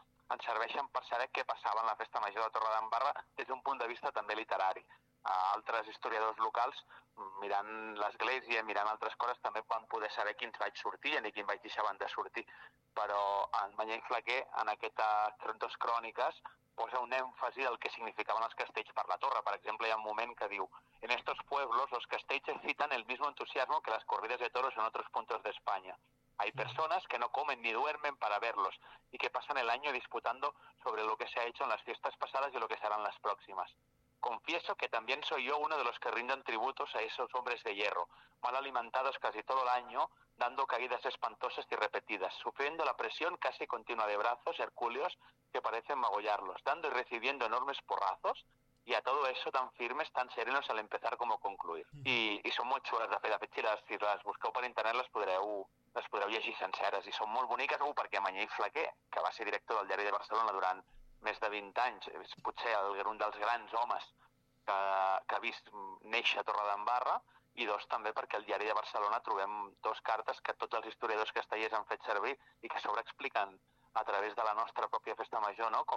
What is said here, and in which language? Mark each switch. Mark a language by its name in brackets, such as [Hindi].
[Catalan] ens serveixen per saber què passava en la Festa Major de Torredembarra des d'un punt de vista també literari. Altres historiadors locals, mirant l'església, mirant altres coses, també van poder saber quins vaig sortir i quins vaig deixar de sortir. Però en Mañé i Flaquer, en aquestes dues cròniques, posa un èmfasi del que significaven els castells per la torre. Per exemple, hi ha un moment que diu: [Spanish] en estos pueblos los castells excitan el mismo entusiasmo que las corridas de toros en otros puntos de España. Hay personas que no comen ni duermen para verlos y que pasan el año disputando sobre lo que se ha hecho en las fiestas pasadas y lo que serán las próximas. Confieso que también soy yo uno de los que rinden tributos a esos hombres de hierro, mal alimentados casi todo el año, dando caídas espantosas y repetidas, sufriendo la presión casi continua de brazos hercúleos que parecen magollarlos, dando y recibiendo enormes porrazos, y a todo eso tan firmes, tan serenos al empezar como concluir. [Catalan] Y son muy chulas de fer de fechiras, si las busqueu por internet las podreu llegir senceres, i són molt boniques, perquè Mañé i Flaquer, que va ser director del Diari de Barcelona durant més de 20 anys, és potser un dels grans homes que ha vist néixer a Torredembarra, i dos, també perquè al Diari de Barcelona trobem dos cartes que tots els historiadors castellers han fet servir i que sobreexpliquen a través de la nostra pròpia Festa Major, no?